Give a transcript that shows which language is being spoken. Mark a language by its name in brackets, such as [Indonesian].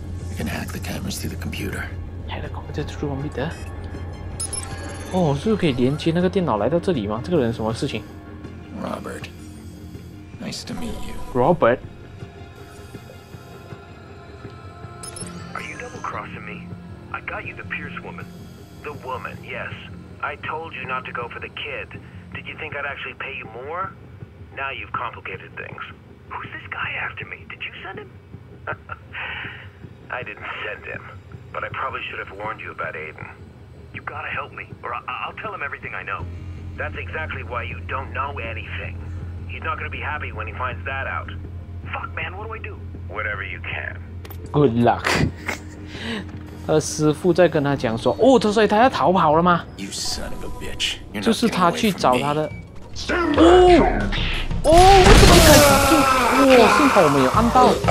[English] You can hack the cameras through the computer. Hack the computer through the computer. [Chinese] 哦，是可以连接那个电脑来到这里吗？这个人什么事情？ [English] Robert, nice to meet you. Robert, are you double crossing me? I got you the Pierce woman. The woman, yes. I told you not to go for the kid. Did you think I'd actually pay you more? Now you've complicated things. Who's this guy after me? Did you send him? I didn't send him, but I probably should have warned you about Aiden. You gotta help me, or I'll tell him everything I know. That's exactly why you don't know anything. He's not going to be happy when he finds that out. Fuck, man, what do I do? Whatever you can. Good luck. [Chinese] 他的师父在跟他讲说，哦，他说他要逃跑了吗？ [English] You son of a bitch. [Chinese] 就是他去找他的。 [English] Stand back. [Chinese] 哦，哦，为什么一开始就，哇，幸好我们有按到。